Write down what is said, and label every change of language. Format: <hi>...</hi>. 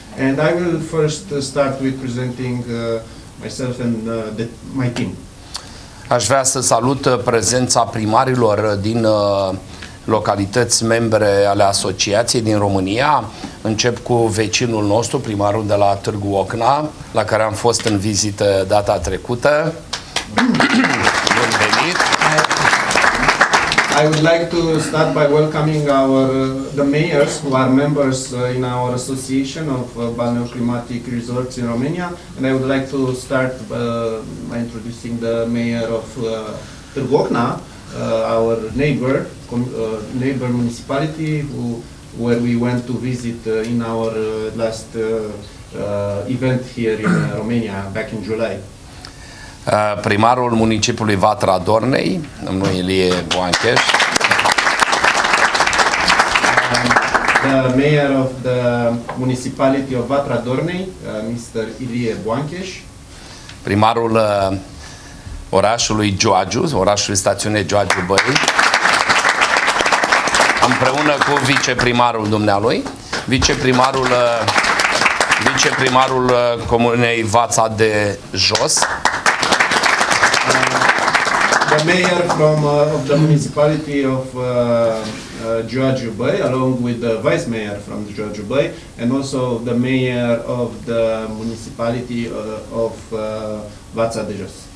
<en>And I will first start with presenting myself and my team.</en> <ro>Aș vrea să salut prezența primarilor din localități membre ale asociației din România. Încep cu vecinul nostru, primarul de la Târgu Ocna, la care am fost în vizită data trecută. Bun venit.</ro> <en>I would like to start by welcoming our the mayors who are members in our association of balneoclimatic resorts in Romania, and I would like to start by introducing the mayor of Târgu Ocna, our neighbor municipality where we went to visit in our last event here in Romania back in July.</en> <ro>Primarul municipiului Vatra Dornei, domnul Ilie Boancheș.</ro> <en>The mayor of the municipality of Vatra Dornei, Mr. Ilie Boancheș.</en> <ro>Primarul orașului Giurgiu, orașului stațiune Giurgiu Băi. Împreună cu viceprimarul dumnealui, viceprimarul comunei Vața de Jos.</ro> <en>The mayor of the municipality of Giurgiu Băi, along with the vice mayor from Giurgiu Băi, and also the mayor of the municipality of Vața de Jos.</en>